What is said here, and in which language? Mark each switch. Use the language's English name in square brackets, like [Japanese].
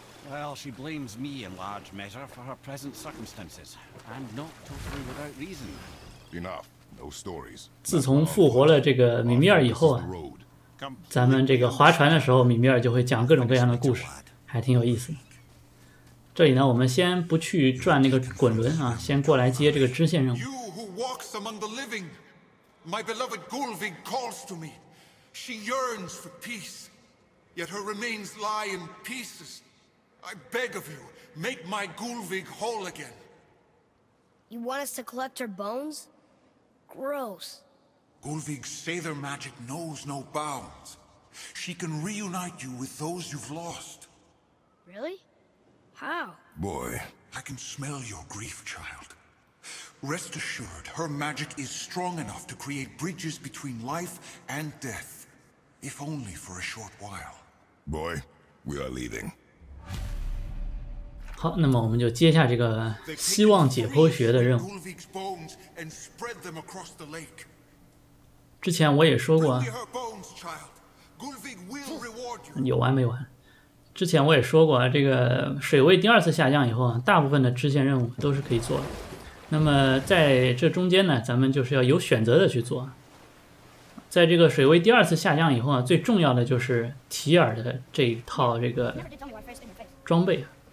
[English] Well, she blames me in large measure for her present circumstances, and not totally without reason. Enough, no stories. [Chinese] 自从复活了这个米米尔以后啊，咱们这个划船的时候，米米尔就会讲各种各样的故事，还挺有意思。这里呢，我们先不去转那个滚轮啊，先过来接这个支线任务。 [English] Walks among the living. My beloved Gulvig calls to me. She yearns for peace, yet her remains lie in pieces. I beg of you, make my Gulvig whole again. You want us to collect her bones? Gross. Gulvig's Sather magic knows no bounds. She can reunite you with those you've lost. Really? How? Boy, I can smell your grief, child. Rest assured, her magic is strong enough to create bridges between life and death, if only for a short while. Boy, we are leaving. [Chinese] 好，那么我们就接下这个希望解剖学的任务。 [English] Gulvig's bones and spread them across the lake. [Chinese] 之前我也说过。 [English] Bring me her bones, child. Gulvig will reward you. [Chinese] 有完没完？之前我也说过，这个水位第二次下降以后，大部分的支线任务都是可以做的。那么在这中间呢，咱们就是要有选择的去做。在这个水位第二次下降以后啊，最重要的就是提尔的这一套这个装备。